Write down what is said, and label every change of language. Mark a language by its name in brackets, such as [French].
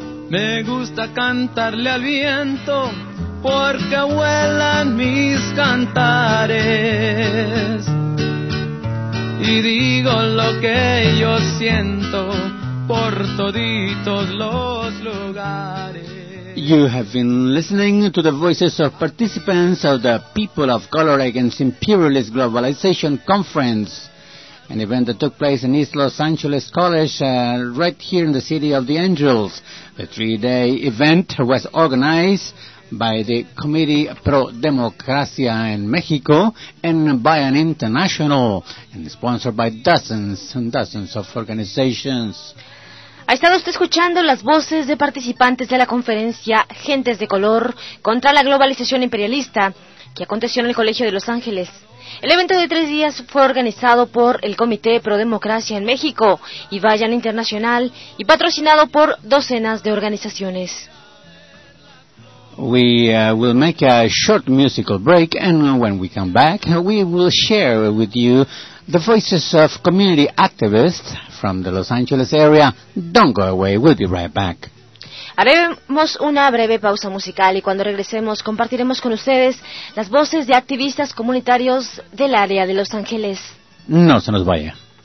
[Spanish] Me gusta cantarle al viento porque vuelan mis cantares, y digo lo que yo siento por toditos los lugares. [English] You have been listening to the voices of participants of the People of Color Against Imperialist Globalization Conference, an event that took place in East Los Angeles College, right here in the City of the Angels. The three-day event was organized by the Committee Pro Democracia in Mexico and by an international, and sponsored by dozens and dozens of organizations. [Spanish] Ha estado usted escuchando las voces de participantes de la conferencia Gentes de Color contra la Globalización Imperialista, que aconteció en el Colegio de Los Ángeles. El evento de tres días fue organizado por el Comité Pro Democracia en México y Vayan Internacional, y patrocinado por docenas de organizaciones. [English] We will make a short musical break, and when we come back, we will share with you the voices of community activists from the Los Angeles area. Don't go away, we'll be right back. [Spanish] Haremos una breve pausa musical y cuando regresemos compartiremos con ustedes las voces de activistas comunitarios del área de Los Ángeles. No se nos vaya.